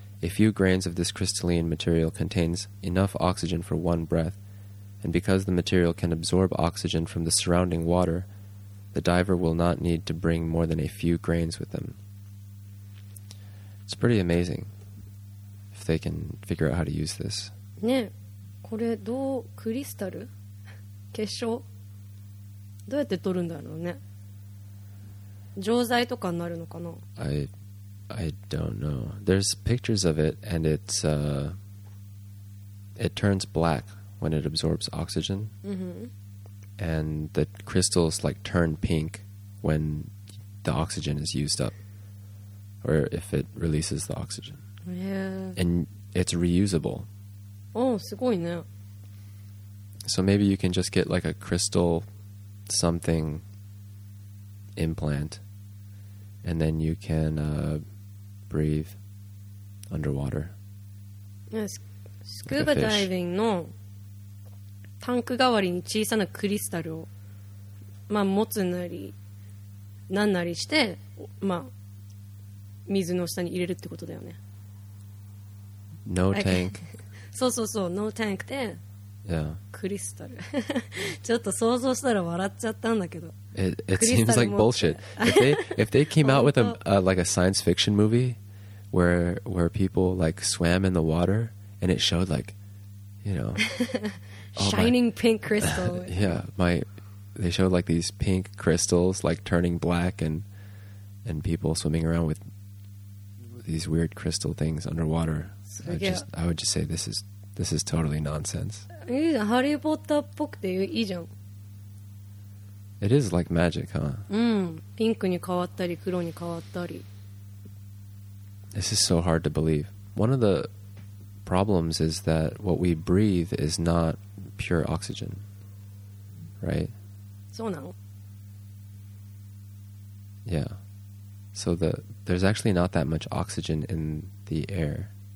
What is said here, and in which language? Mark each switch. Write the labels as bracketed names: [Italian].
[English] A few grains of this crystalline material contains enough oxygen for one breath, and because the material can absorb oxygen from the surrounding water,The diver will not need to bring more than a few grains with them. It's pretty amazing if they can figure out how to use this. [Japanese] ね、これどう、クリスタル？結晶？どうやって取るんだろうね。錠剤とかになるのかな？ [English] I don't know. There's pictures of it and it turns black when it absorbs oxygen. Mm-hmm. And the crystals like turn pink when the oxygen is used up, or if it releases the oxygen. Yeah. And it's reusable. [Japanese] Oh, すごいね。 [English] So maybe you can just get like a crystal something implant, and then you can breathe underwater. [Japanese] Scuba diving のタンク代わりに小さなクリスタルを、まあ、持つなりなんなりして、まあ、水の下に入れるってことだよね。 [English] No tank. [Japanese] そうそうそう、 [English] No tank [Japanese] で、 [English] yeah. [Japanese] クリスタル。ちょっと想像したら笑っちゃったんだけど。 [English] It seems like bullshit. If they came out with a science fiction movie where people like swam in the water and it showed like, you know, shining pink crystal. Yeah, they showed like these pink crystals like turning black and people swimming around with these weird crystal things underwater. I would just say this is totally nonsense. [Japanese] ハリー・ポッターっぽくていいじゃん。 [English] It is like magic, huh? [Japanese] うん、ピンクに変わったり黒に変わったり。 [English] This is so hard to believe. One of the problems is that what we breathe is not pure oxygen, right? [Japanese] そうなの? [English] Yeah. So there's actually not that much oxygen in the air.